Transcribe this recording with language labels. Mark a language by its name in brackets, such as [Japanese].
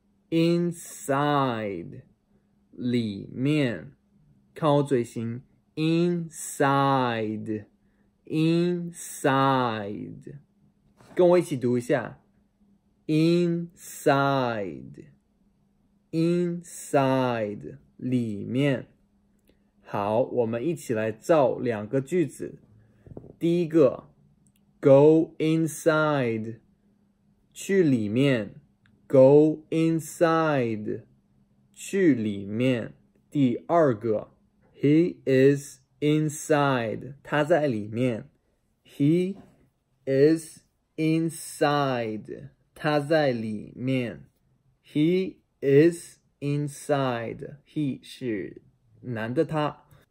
[Chinese] Inside, 里面，看我嘴型 ，inside, inside, 跟我一起读一下 ，inside, inside, 里面。好，我们一起来造两个句子。第一个 ， [English] go inside, [Chinese] 去里面。 [English] Go inside, [Chinese] 去里面。第二个 , [English] He is inside, [Chinese] 他在里面。 [English] He is inside, [Chinese] 他在里面。 [English] He is inside, he [Chinese] 是男的他。